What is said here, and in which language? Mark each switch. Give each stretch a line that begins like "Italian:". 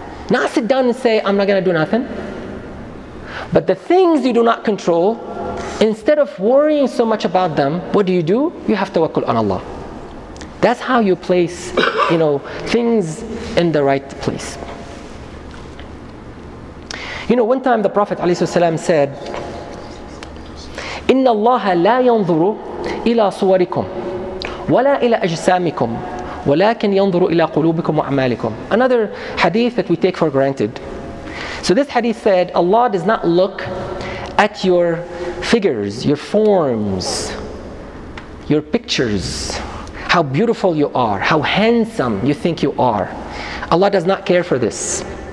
English: Not sit down and say, I'm not going to do nothing. But the things you do not control, instead of worrying so much about them, what do? You have tawakkul on Allah. That's how you place, you know, things in the right place. You know, one time the Prophet ﷺ said,
Arabic: إِنَّ اللَّهَ لَا يَنْظُرُ إِلَى صُوَرِكُمْ وَلَا إِلَى أَجْسَامِكُمْ وَلَكِنْ يَنْظُرُ إِلَى قُلُوبِكُمْ وَأَعْمَالِكُمْ.
English: Another hadith that we take for granted. So this hadith said, Allah does not look at your figures, your forms, your pictures, how beautiful you are, how handsome you think you are. Allah does not care for this.